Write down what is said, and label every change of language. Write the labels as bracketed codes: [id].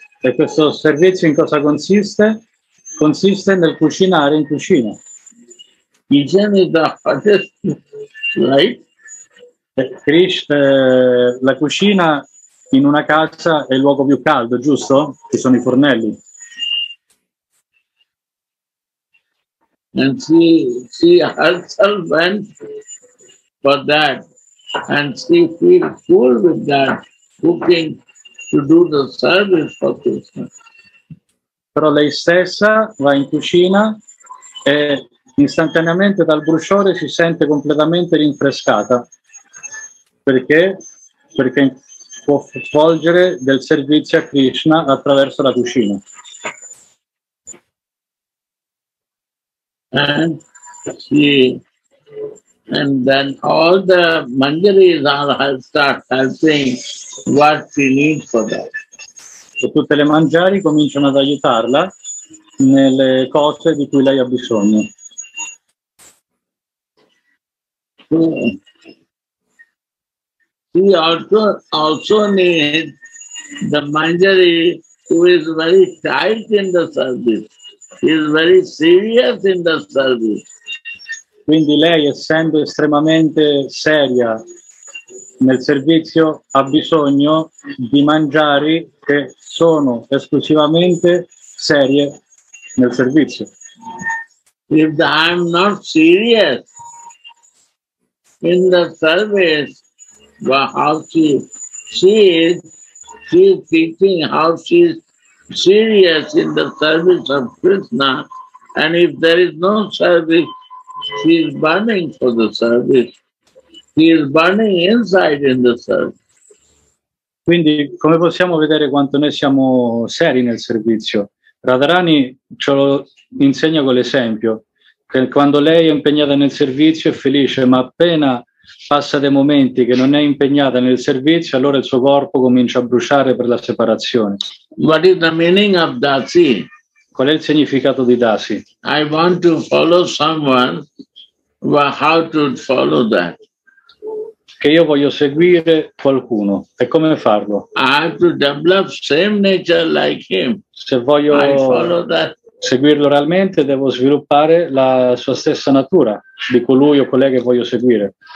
[it] E questo servizio in cosa consiste? Consiste nel cucinare in cucina. [en] Kitchen is the hottest, right? [it] Krishna, la cucina in una casa è il luogo più caldo, giusto? Ci sono i fornelli. [en] And she herself went for that, and she feel full with that cooking to do the service for Krishna. [it] Però lei stessa va in cucina e istantaneamente dal bruciore si sente completamente rinfrescata. Perché? Perché può svolgere del servizio a Krishna attraverso la cucina. [en] And she, and then all the manjaris are start helping what she needs for that. [it] E tutte le manjari cominciano ad aiutarla nelle cose di cui lei ha bisogno. [en] She also needs the manjari who is very tight in the service. Is very serious in the service. [it] Quindi lei, essendo estremamente seria nel servizio, ha bisogno di mangiare che sono esclusivamente serie nel servizio. [en] If I'm not serious in the service, but how she is thinking how she is serious in the service of Krishna, and if there is no service, she is burning for the service. She is burning inside in the service. [it] Quindi, come possiamo vedere quanto noi siamo seri nel servizio? Radharani ce lo insegna con l'esempio. Quando lei è impegnata nel servizio è felice, ma appena passa dei momenti che non è impegnata nel servizio, allora il suo corpo comincia a bruciare per la separazione. [en] What is the meaning of dasi? [it] Qual è il significato di dasi? [en] I want to follow someone, but how to follow that? [it] Che io voglio seguire qualcuno, e come farlo? [en] I have to develop same nature like him. [it] Se voglio seguirlo realmente, devo sviluppare la sua stessa natura di colui o colei che voglio seguire.